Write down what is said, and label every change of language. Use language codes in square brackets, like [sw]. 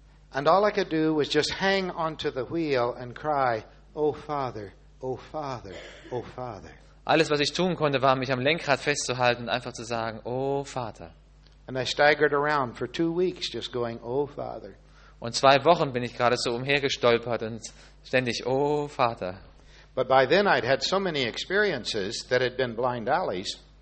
[en] And all I could do was just hang onto the wheel and cry, "Oh Father, oh Father, oh Father." [de] Alles, was ich tun konnte, war, mich am Lenkrad festzuhalten und einfach zu sagen, "Oh Vater." [en] And I staggered around for 2 weeks, just going, "Oh Father." [de] Und 2 Wochen bin ich gerade so umhergestolpert und ständig, "Oh Vater." [en] But by then I'd had so many experiences that had been blind alleys.